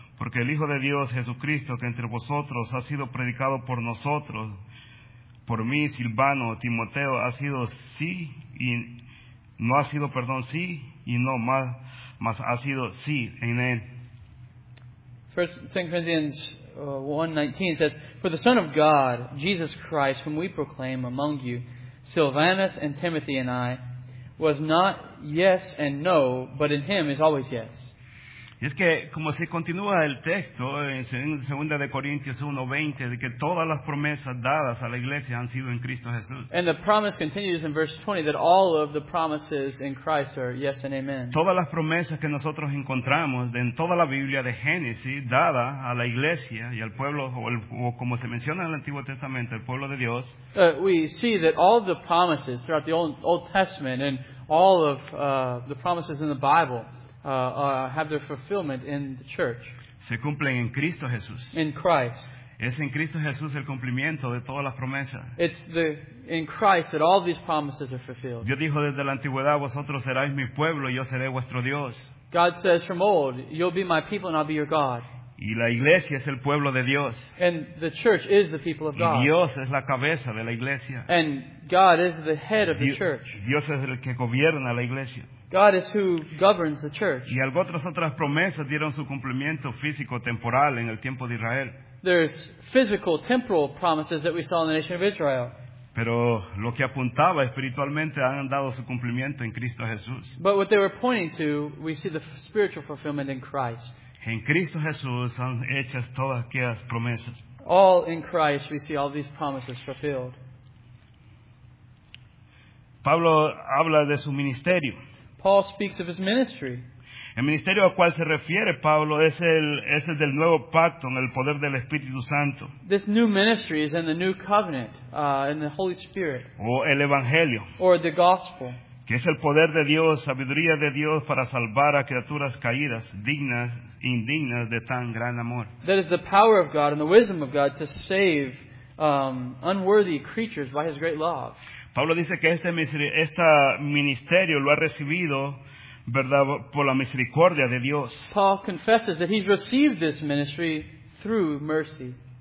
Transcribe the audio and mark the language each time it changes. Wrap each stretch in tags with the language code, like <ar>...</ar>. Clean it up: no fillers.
<es>Porque el Hijo de Dios Jesucristo que entre vosotros ha sido predicado por nosotros, por mí Silvano, Timoteo ha sido sí y no ha sido, perdón, sí y no más, más ha sido sí en él.</es> <en>2 Corinthians 1:19 says, For the Son of God, Jesus Christ, whom we proclaim among you, Silvanus and Timothy and I, was not yes and no, but in him is always yes.</en> <es>Y es que, como se continúa el texto en 2 Corintios 1:20, de que todas las promesas dadas a la iglesia han sido en Cristo Jesús.</es> <en>And the promise continues in verse 20, that all of the promises in Christ are yes and amen.</en> <es>Todas las promesas que nosotros encontramos en toda la Biblia de Génesis, dada a la iglesia y al pueblo, o como se menciona en el Antiguo Testamento, el pueblo de Dios.</es> <en>We see that all the promises throughout the Old Testament and all of the promises in the Bible have their fulfillment in the church.</en> <es>Se cumplen en Cristo Jesús.</es> <en>In Christ.</en> <es>Es en Cristo Jesús el cumplimiento de todas las promesas.</es> <en>It's in Christ that all these promises are fulfilled.</en> <es>Dios dijo desde la antigüedad, vosotros seréis mi pueblo y yo seré vuestro Dios.</es> <en>God says from old, you'll be my people and I'll be your God.</en> <es>Y la iglesia es el pueblo de Dios.</es> <en>And the church is the people of God.</en> <es>Y Dios es la cabeza de la iglesia.</es> <en>And God is the head of the church.</en> <es>Dios es el que gobierna la iglesia.</es> <en>God is who governs the church.</en> <es>Y otras promesas dieron su cumplimiento físico temporal en el tiempo de Israel.</es> <en>There's physical, temporal promises that we saw in the nation of Israel.</en> <es>Pero lo que apuntaba espiritualmente han dado su cumplimiento en Cristo Jesús.</es> <en>But what they were pointing to, we see the spiritual fulfillment in Christ.</en> <es>En Cristo Jesús han hechas todas aquellas promesas.</es> <en>All in Christ, we see all these promises fulfilled.</en> <es>Pablo habla de su ministerio.</es> <en>Paul speaks of his ministry.</en> <es>El ministerio al cual se refiere Pablo es el del nuevo pacto en el poder del Espíritu Santo.</es> <en>This new ministry is in the new covenant, in the Holy Spirit.</en> <es>O el evangelio.</es> <en>Or the gospel.</en> <es>Que es el poder de Dios, sabiduría de Dios para salvar a criaturas caídas, dignas, indignas de tan gran amor.</es> <en>That is the power of God and the wisdom of God to save unworthy creatures by His great love.</en> <es>Pablo dice que este ministerio lo ha recibido, ¿verdad?, por la misericordia de Dios.</es> <en>Paul confesses that he's received this ministry through mercy.</en>